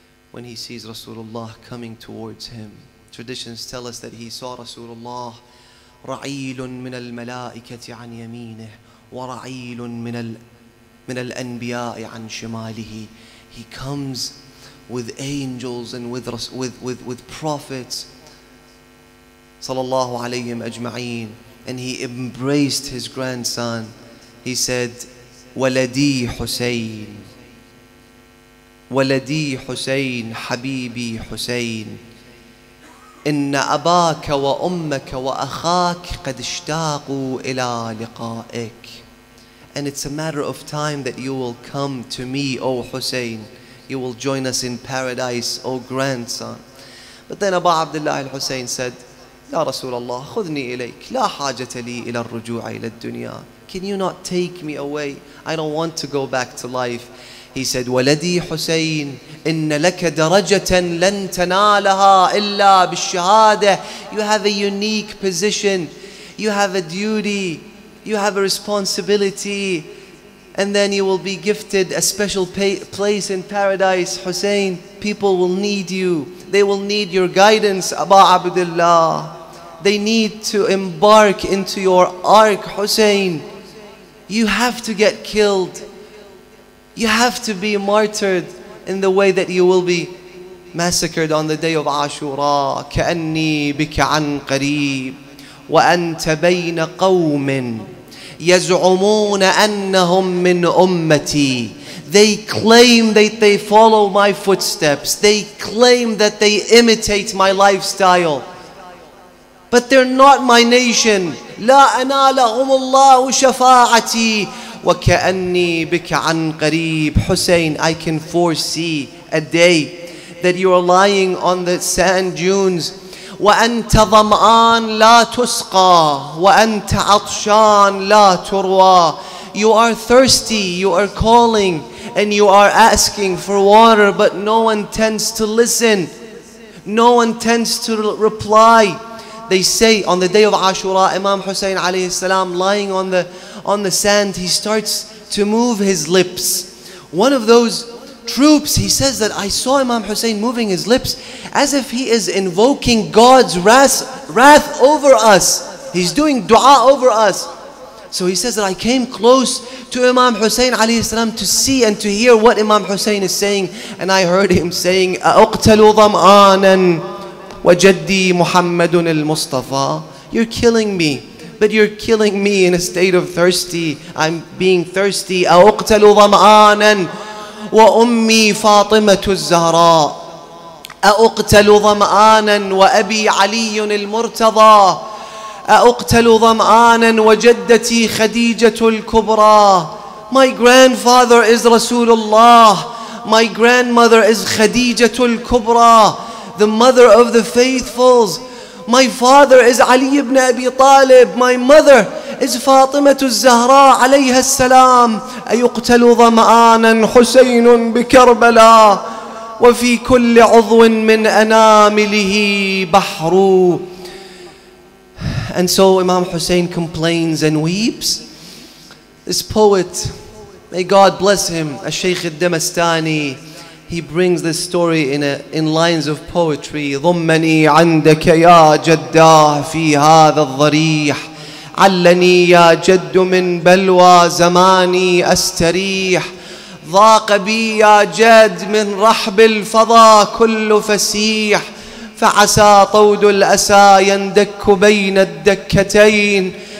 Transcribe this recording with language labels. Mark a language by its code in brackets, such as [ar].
[en] When he sees Rasulullah coming towards him, traditions tell us that he saw Rasulullah [ar] رعيل من الملائكة عن يمينه ورعيل من الأنبياء عن شماله. [en] He comes with angels and with prophets [ar] صلى الله عليهم أجمعين, [en] and he embraced his grandson. He said, [ar] ولدي حسين, ولدي حسين, حبيبي حسين, إن أباك وأمك وأخاك قد اشتاقوا إلى لقائك. [en] And it's a matter of time that you will come to me, O Hussein. You will join us in paradise, O grandson. But then Aba Abdullah al-Hussein said, [ar] يا رسول الله خذني إليك لا حاجة لي إلى الرجوع إلى الدنيا. [en] Can you not take me away? I don't want to go back to life. He said, [ar] ولدي حسين إن لك درجة لن تنالها إلا بالشهادة. [en] You have a unique position. You have a duty. You have a responsibility. And then you will be gifted a special place in paradise. Hussein, people will need you. They will need your guidance, Aba Abdullah. They need to embark into your ark, Hussein. You have to get killed. You have to be martyred in the way that you will be massacred on the day of Ashura. [ar] كأني بك عن قريب وأنت بين قوم يزعمون أنهم من أمتي. [en] They claim that they follow my footsteps. They claim that they imitate my lifestyle. But they're not my nation. [ar] لا أنا لهم الله شفاعتي. وكأني بك عن قريب. [en] Hussein, I can foresee a day that you are lying on the sand dunes. [ar] وأنت ضمآن لا تسقى وأنت عطشان لا تروى. [en] You are thirsty, you are calling, and you are asking for water, but no one tends to listen. No one tends to reply. They say on the day of Ashura, Imam Hussain alayhi salam, lying on the sand, he starts to move his lips. One of those troops, he says that I saw Imam Hussain moving his lips as if he is invoking God's wrath over us. He's doing dua over us. So he says that I came close to Imam Hussain alayhi salam to see and to hear what Imam Hussain is saying. And I heard him saying, [ar] أَأُقْتَلُ ظَمْآنًا وَجَدِّي مُحَمَّدٌ الْمُصْطَفَى. [en] You're killing me, but you're killing me in a state of thirsty. I'm being thirsty. [ar] أَأُقْتَلُ ظَمْآنًا وَأُمِّي فَاطِمَةُ الزَّهْرَى. أَأُقْتَلُ ظَمْآنًا وَأَبِي عَلِيٌّ الْمُرْتَضَى. أأقتل ظمآنا وجدتي خديجة الكبرى. [en] My grandfather is Rasulullah. My grandmother is خديجة الكبرى, the mother of the faithfuls. My father is Ali ibn Abi Talib. My mother is فاطمة الزهراء عليها السلام. [ar] أيقتل ظمآنا حسين بكربلاء وفي كل عضو من أنامله بحر. [en] And so Imam Hussain complains and weeps. This poet, may God bless him, Al-Shaykh al-Damastani, he brings this story in lines of poetry. [ar] ضمني عندك يا جدا في هذا الضريح علني يا جد من بلوى زماني أستريح ضاق بي يا جد من رحب الفضا كل فسيح فعسى طود الأسى يندك بين الدكتين